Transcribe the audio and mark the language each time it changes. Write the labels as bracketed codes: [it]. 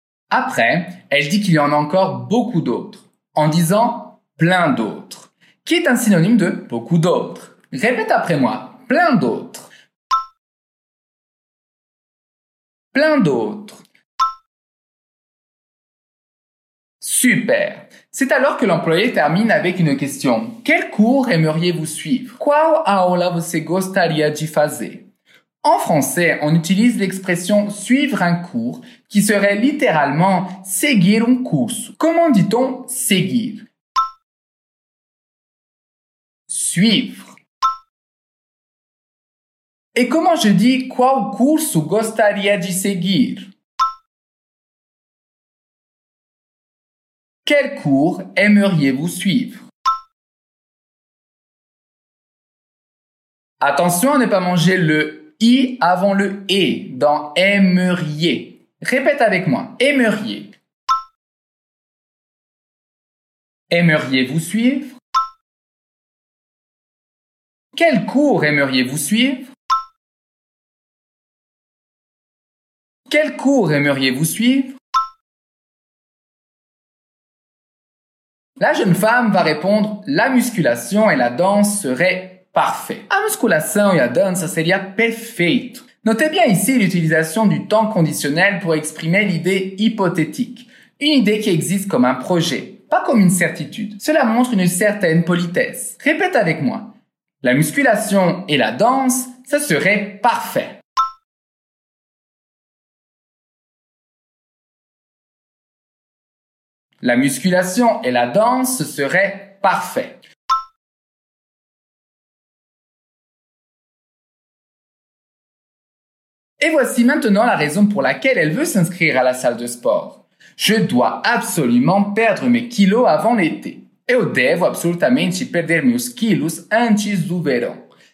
[fr] Après, elle dit qu'il y en a encore beaucoup d'autres, en disant « plein d'autres », qui est un synonyme de « beaucoup d'autres ». Répète après moi, « plein d'autres ». Plein d'autres. Super. C'est alors que l'employé termine avec une question. Quel cours aimeriez-vous suivre? [pt] Qual aula você gostaria de fazer? [fr] En français, on utilise l'expression « suivre un cours » qui serait littéralement « [pt] seguir un curso ». [fr] Comment dit-on « seguir » ? Suivre. Et comment je dis [pt] « qual curso gostaria de seguir » ? [fr] Quel cours aimeriez-vous suivre? Attention à ne pas manger le « i » avant le « e » dans « aimeriez ». Répète avec moi, « aimeriez ». Aimeriez-vous suivre? Quel cours aimeriez-vous suivre? Quel cours aimeriez-vous suivre? La jeune femme va répondre « La musculation et la danse seraient parfaits ». [pt] A musculação e a dança seria perfeito. [fr] Notez bien ici l'utilisation du temps conditionnel pour exprimer l'idée hypothétique. Une idée qui existe comme un projet, pas comme une certitude. Cela montre une certaine politesse. Répète avec moi. La musculation et la danse, ça serait parfait. La musculation et la danse seraient parfaits. Et voici maintenant la raison pour laquelle elle veut s'inscrire à la salle de sport. Je dois absolument perdre mes kilos avant l'été. [pt] Eu devo absolutamente perder meus quilos antes do verão.